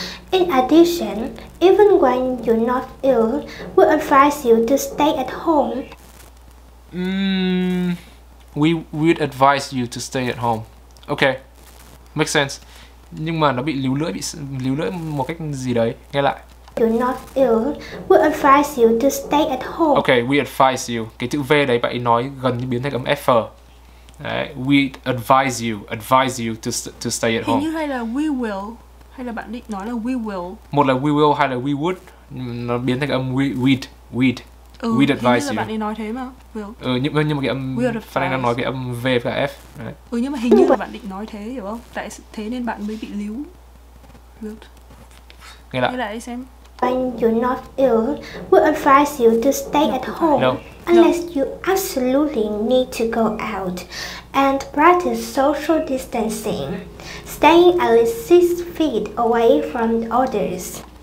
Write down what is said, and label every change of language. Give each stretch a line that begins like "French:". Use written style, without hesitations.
English: In addition, even when you're not ill, we advise you to stay at home. We would advise you to stay at home. Okay, makes sense.
Vietnamese: Nhưng mà nó bị líu lưỡi một cách gì đấy. Nghe lại.
English: You're not ill. We advise you to stay at home. Okay, we advise you.
Vietnamese: Cái chữ V đấy bạn ấy nói gần như biến thành âm F.
English: Đấy. We advise you to stay at home.
Vietnamese: Hình như hay là we will, hay là bạn định nói là we will. Một là we will, hai là we would. Nó biến thành âm we'd. We'd. Ừ,
English: we'd advise
Vietnamese: hình như là
English: you.
Vietnamese: Bạn ấy nói thế mà. Will. Ừ, nhưng mà cái âm phải đang nói cái âm V và F. Đấy. Ừ, nhưng mà hình như là bạn định nói thế, hiểu không? Tại thế nên bạn mới bị líu.
English: Will.
Vietnamese: Nghe lại. Nghe lại đi xem.
English: When you're not ill, we advise you to stay at home unless you absolutely need to go out and practice social distancing, staying at least 6 feet away from others.